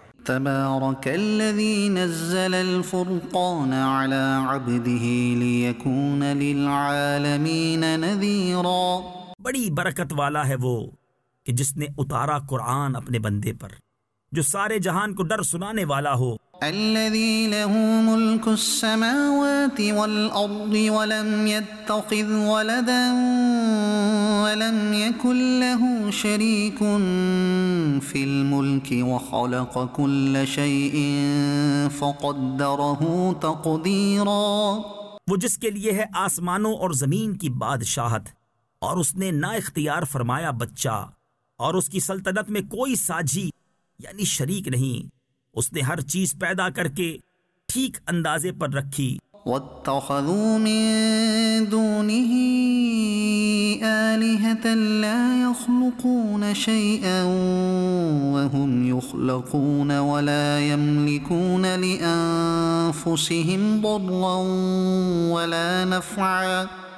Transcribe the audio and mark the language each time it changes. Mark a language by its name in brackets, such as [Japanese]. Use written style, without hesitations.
[Arabic] تبارک الذی نزل الفرقان علی عبده لیکون للعالمین نذیرا [Urdu] بڑی برکت والا ہے وہ کہ جس نے اتارا قرآن اپنے بندے پر جو سارے جہان کو ڈر سنانے والا ہو [Arabic] الذي له ملك السماوات والأرض ولم يتخذ ولدا ولم يكن له شريك في الملك وخلق كل شيء فقدره تقديرا [Urdu] وہ جس کے لیے ہے آسمانوں اور زمین کی بادشاہت اور اس نے نا اختیار فرمایا بچہ اور اس کی سلطنت میں کوئی ساجی یعنی شریک نہیں اس نے ہر چیز پیدا کر کے ٹھیک اندازے پر رکھی [Arabic] وَاتَّخَذُوا مِن دُونِهِ آلِهَةً لَا يَخْلُقُونَ شَيْئًا وَهُمْ يُخْلَقُونَ وَلَا يَمْلِكُونَ لِأَنفُسِهِمْ ضَرًّا وَلَا نَفْعًا